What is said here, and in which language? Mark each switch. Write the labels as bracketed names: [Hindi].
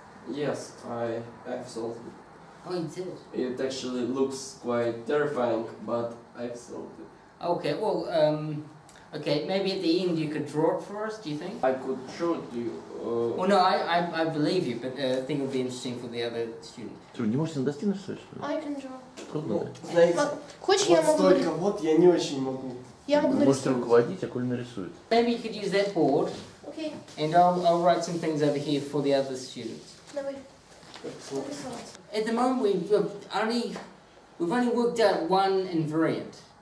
[English] Yes, I've solved it. Oh, you did? It actually looks quite terrifying, but I've solved it. Okay, well, okay, maybe at the end you could draw it for us, do you think? I could show it to you. Well, no, I believe you, but I think it would be interesting for the other student. [Russian] Что, не можете на доске нарисовать, что ли? [English] I can draw. [Russian] Трудно. Знаете, хочешь, вот я могу... столько, вот я не очень могу. Я могу нарисовать. Можете руководить, а Коля нарисует. [English] Maybe you could use that board. Okay. And I'll write some things over here for the other students. [Russian] Давай. [English] At the moment, we've only worked out one invariant.